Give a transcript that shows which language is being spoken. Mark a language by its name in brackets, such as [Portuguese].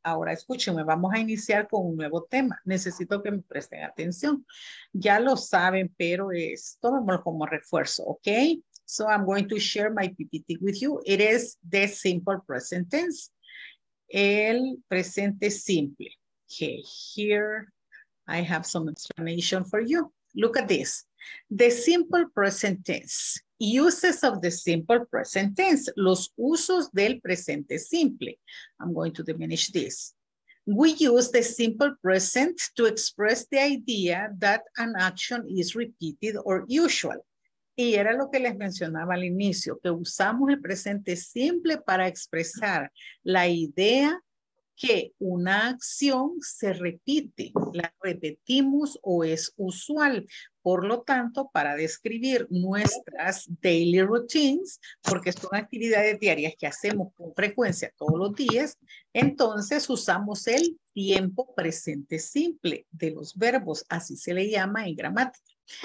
[Spanish] Ahora escúchenme, vamos a iniciar con un nuevo tema. Necesito que me presten atención. Ya lo saben, pero es, tomémoslo como refuerzo, okay? [English] So I'm going to share my PPT with you. It is the simple present tense. [Spanish] El presente simple. [English] Okay, here I have some explanation for you. Look at this. The simple present tense. Uses of the simple present tense. [Spanish] Los usos del presente simple. [English] I'm going to diminish this. We use the simple present to express the idea that an action is repeated or usual. [Spanish] Y era lo que les mencionaba al inicio, que usamos el presente simple para expresar la idea que una acción se repite, la repetimos o es usual. Por lo tanto, para describir nuestras daily routines, porque son actividades diarias que hacemos con frecuencia todos los días, entonces usamos el tiempo presente simple de los verbos, así se le llama en gramática.